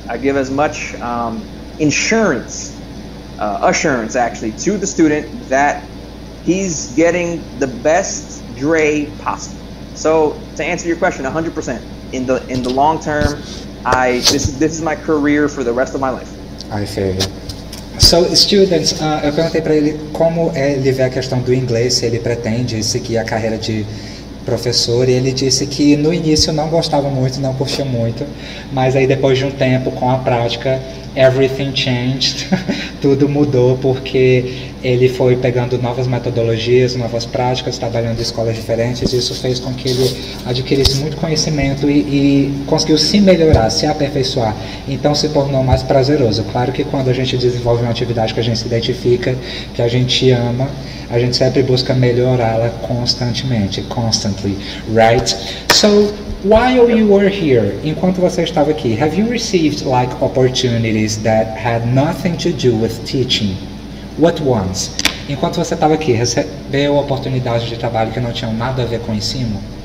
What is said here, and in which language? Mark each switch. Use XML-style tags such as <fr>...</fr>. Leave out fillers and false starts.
<en>I give as much assurance, actually, to the student that he's getting the best dre possible. So, to answer your question, 100%, in the long term, this is my career for the rest of my life. I see. So, students,</en> <pt>eu perguntei para ele como ele vê a questão do inglês, se ele pretende seguir a carreira de professor, e ele disse que no início não gostava muito, não curtia muito, mas aí depois de um tempo com a prática,</pt> <en>Everything changed.</en> <pt>Tudo mudou porque ele foi pegando novas metodologias, novas práticas, trabalhando em escolas diferentes. Isso fez com que ele adquirisse muito conhecimento e conseguiu se melhorar, se aperfeiçoar. Então se tornou mais prazeroso. Claro que quando a gente desenvolve uma atividade que a gente se identifica, que a gente ama, a gente sempre busca melhorá-la constantemente, constantly, right?</pt> <en>So, while you were here,</en> <pt>enquanto você estava aqui,</pt> <en>have you received, like, opportunities that had nothing to do with teaching? What ones?</en> <pt>Enquanto você estava aqui, recebeu oportunidades de trabalho que não tinham nada a ver com ensino?</pt>